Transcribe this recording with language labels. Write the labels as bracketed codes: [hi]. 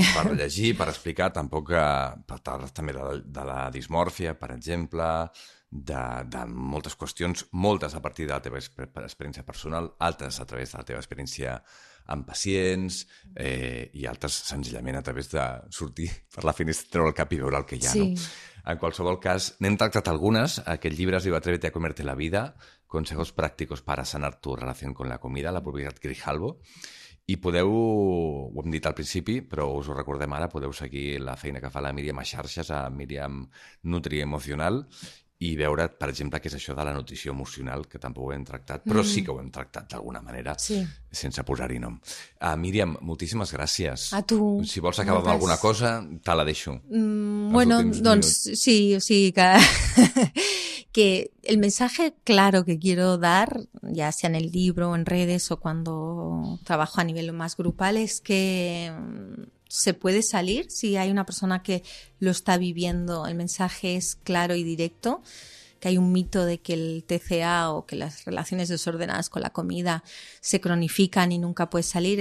[ca] per llegir, per explicar, tampoc per parlar també de la dismòrfia, per exemple, de moltes qüestions, moltes a partir de la teva experiència personal, altres a través de la teva experiència amb pacients i altres senzillament a través de sortir per la finestra, treure el cap i veure el que hi ha. Sí. No? En qualsevol cas, n'hem tractat algunes. Aquest llibre es diu Atrévete a comerte la vida, consejos prácticos para sanar tu relación con la comida, la publicitat Grijalbo. I podeu, ho hem dit al principi, però us ho recordem ara, podeu seguir la feina que fa la Míriam a xarxes, a Míriam Nutri Emocional, i veure, per exemple, què és això de la nutrició emocional, que tampoc ho hem tractat, però sí que ho hem tractat d'alguna manera, sí. Sense posar-hi nom. Míriam, moltíssimes gràcies. A tu. Si vols acabar amb alguna cosa, te la deixo. Bueno, doncs sí, o sigui que... [es] que el mensaje claro que quiero dar, ya sea en el libro, en redes o cuando trabajo a nivel más grupal, es que se puede salir si hay una persona que lo está viviendo. El mensaje es claro y directo, que hay un mito de que el TCA o que las relaciones desordenadas con la comida se cronifican y nunca puede salir.